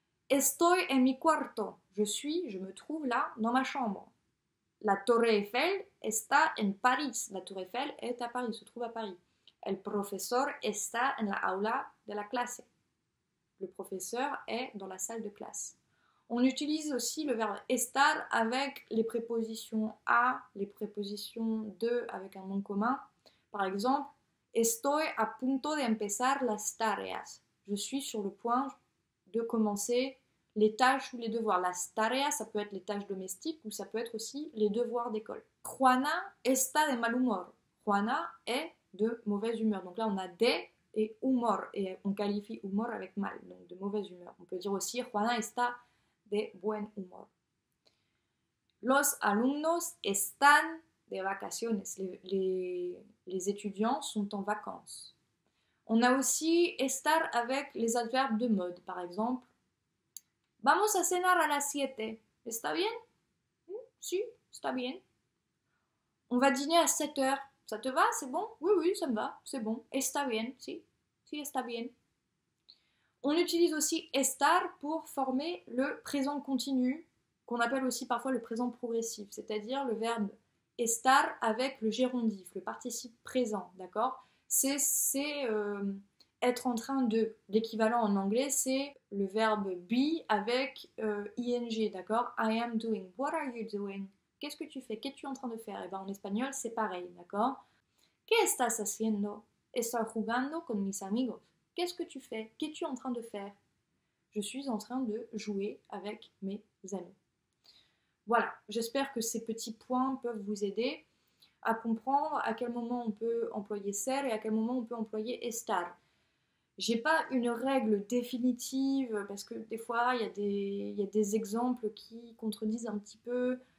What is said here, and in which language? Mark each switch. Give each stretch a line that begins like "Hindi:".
Spanish: Estoy en mi cuarto.
French: Je me trouve là, dans ma chambre.
Spanish: La Torre Eiffel está en París.
French: La Tour Eiffel est à Paris, se trouve à Paris.
Spanish: El profesor está en la aula de la clase.
French: Le professeur est dans la salle de classe. On utilise aussi le verbe estar avec les prépositions a, les prépositions de avec un nom commun. Par exemple,
Spanish: estoy a punto de empezar las tareas.
French: Je suis sur le point de commencer les tâches ou les devoirs. Las tareas, ça peut être les tâches domestiques ou ça peut être aussi les devoirs d'école.
Spanish: Juana está de mal humor.
French: Juana est de mauvaise humeur. Donc là, on a de et humor, et on qualifie humor avec mal, donc de mauvaise humeur. On peut dire aussi
Spanish: Juana está de buen humor. Los alumnos están de vacaciones.
French: Les étudiants sont en vacances. On a aussi estar avec les adverbes de mode, par exemple.
Spanish: Vamos a cenar a las 7. ¿Está bien? Si, está bien.
French: On va dîner à 7 h. Ça te va? C'est bon? Oui, ça me va. C'est bon.
Spanish: Está bien, si. Si, está bien.
French: On utilise aussi estar pour former le présent continu, qu'on appelle aussi parfois le présent progressif, c'est-à-dire le verbe estar avec le gérondif, le participe présent, d'accord? C'est être en train de. L'équivalent en anglais, c'est le verbe be avec ing, d'accord?
English: I am doing. What are you doing?
French: Qu'est-ce que tu fais? Qu'es-tu en train de faire? Et bien en espagnol, c'est pareil, d'accord? Qu'est-ce que tu fais?
Spanish: Estoy jugando con mis amigos.
French: Qu'est-ce que tu fais? Qu'es-tu en train de faire? Je suis en train de jouer avec mes amis. Voilà, j'espère que ces petits points peuvent vous aider. à comprendre à quel moment on peut employer ser et à quel moment on peut employer estar. J'ai pas une règle définitive parce que des fois il y a des exemples qui contredisent un petit peu.